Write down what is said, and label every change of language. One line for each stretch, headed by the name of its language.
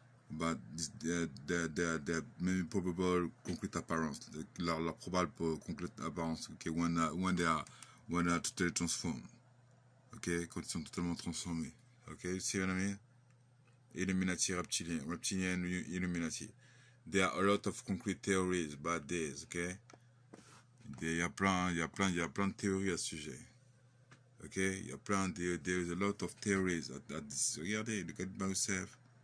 English: But the maybe probable concrete appearance, la probable concrete appearance, okay, when they are totally transformed.
French: Ok, quand ils sont totalement transformés. Ok,
English: you see what I mean?
French: Illuminati, reptilien, Illuminati.
English: There are a lot of concrete theories about this, ok?
French: Il y a plein de théories à ce sujet.
English: Ok,
French: il y a plein,
English: there is a lot of theories at this.
French: Regardez,
English: look at myself.